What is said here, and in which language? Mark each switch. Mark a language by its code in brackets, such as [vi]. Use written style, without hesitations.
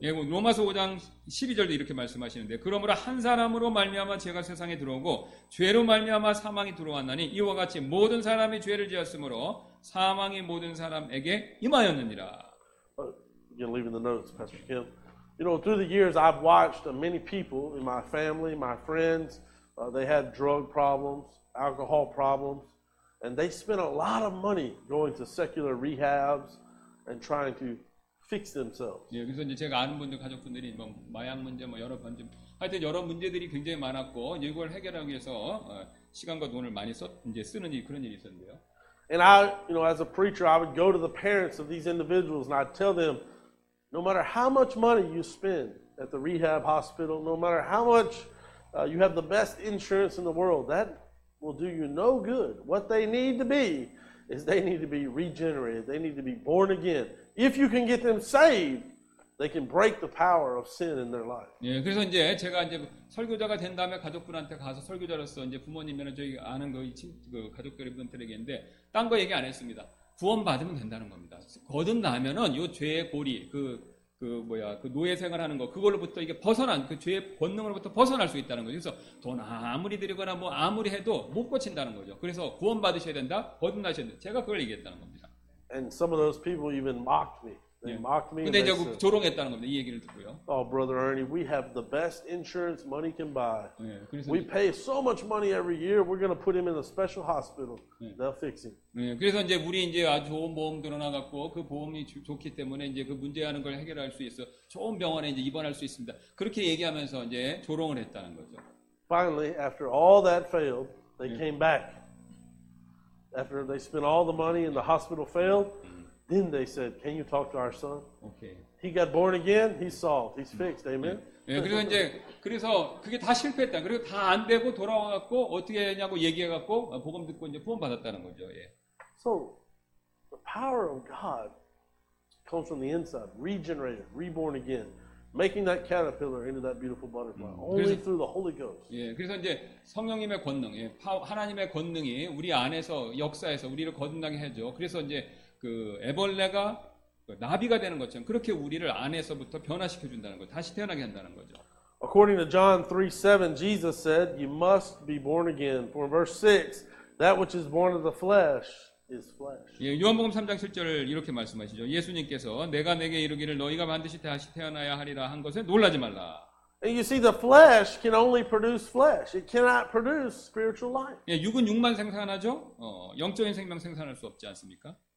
[ko] 예, 로마서 5장 12절도 이렇게 말씀하시는데 그러므로 한 사람으로 말미암아 죄가 세상에 들어오고 죄로 말미암아 사망이 들어왔나니 이와 같이 모든 사람이 죄를 지었으므로 사망이 모든 사람에게 임하였느니라. [en] Again, leaving the notes, Pastor Kim. You know, through the years, I've watched many people in my family, my friends, they had drug problems, alcohol problems, and they spent a lot of money going to secular rehabs and trying to fix themselves. [ko] 예, 그래서 이제 제가 아는 분들, 가족분들이 뭐 마약 문제, 뭐 여러 번 좀, 하여튼 여러 문제들이 굉장히 많았고 이걸 해결하기 위해서 시간과 돈을 많이 썼, 이제 쓰는 일, 그런 일이 있었는데요. [en] And I, you know, as a preacher, I would go to the parents of these individuals and I'd tell them, no matter how much money you spend at the rehab hospital, no matter how much you have the best insurance in the world, that will do you no good. What they need to be is they need to be regenerated. They need to be born again. If you can get them saved, they can break the power of sin in their life. [ko] 예, 그래서 이제 제가 이제 설교자가 된 다음에 가족분한테 가서 설교자로서 이제 부모님이나 저희 아는 그 가족분들에게인데 딴 거 얘기 안 했습니다. 구원 받으면 된다는 겁니다. 거듭나면은 요 죄의 고리, 그 노예 생활하는 거, 그걸로부터 이게 벗어난 그 죄의 본능으로부터 벗어날 수 있다는 거죠. 그래서 돈 아무리 드리거나 뭐 아무리 해도 못 고친다는 거죠. 그래서 구원 받으셔야 된다, 거듭나셔야 된다. 제가 그걸 얘기했다는 겁니다. [en] And some of those people even mocked me. They [ko] 예. [en] mocked me. [ko] 근데 이제 조롱했다는 겁니다. 이 얘기를 듣고요. [en] Oh, brother Ernie, we have the best insurance money can buy. [ko] 예. [en] We pay so much money every year. We're going to put him in a special hospital. [ko] 예. [en] They'll fix him. [ko] 예. 그래서 이제 우리 이제 아주 좋은 보험 들어놔갖고 그 보험이 좋기 때문에 이제 그 문제하는 걸 해결할 수 있어. 좋은 병원에 이제 입원할 수 있습니다. 그렇게 얘기하면서 이제 조롱을 했다는 거죠. [en] Finally, after all that failed, they [ko] 예. [en] came back. After they spent all the money and the hospital failed, then they said, "Can you talk to our son?" Okay. He got born again. He's solved. He's fixed. Amen. [ko] 예, 그래서 이제 그래서 그게 다 실패했다. 그리고 다 안 되고 돌아와갖고 어떻게 했냐고 얘기해갖고 복음 듣고 이제 구원 받았다는 거죠. 예. [en] So the power of God comes from the inside, regenerated, reborn again. Making that caterpillar into that beautiful butterfly only through the Holy Ghost. [ko] 예, 그래서 이제 성령님의 권능, 예, 하나님의 권능이 우리 안에서 역사에서 우리를 거듭나게 해줘. 그래서 이제 그 애벌레가 나비가 되는 것처럼 그렇게 우리를 안에서부터 변화시켜 준다는 거, 다시 태어나게 한다는 거죠. [en] According to John 3:7, Jesus said, "You must be born again." For in verse 6, that which is born of the flesh. [ko] 예, 요한복음 3장 7절을 이렇게 말씀하시죠. 예수님께서 내가 내게 이르기를 너희가 반드시 다시 태어나야 하리라 한 것에 놀라지 말라. [en] And you see, the flesh can only produce flesh. It cannot produce spiritual life. [ko] 예, 육은 육만 생산하죠. 영적인 생명 생산할 수 없지 않습니까?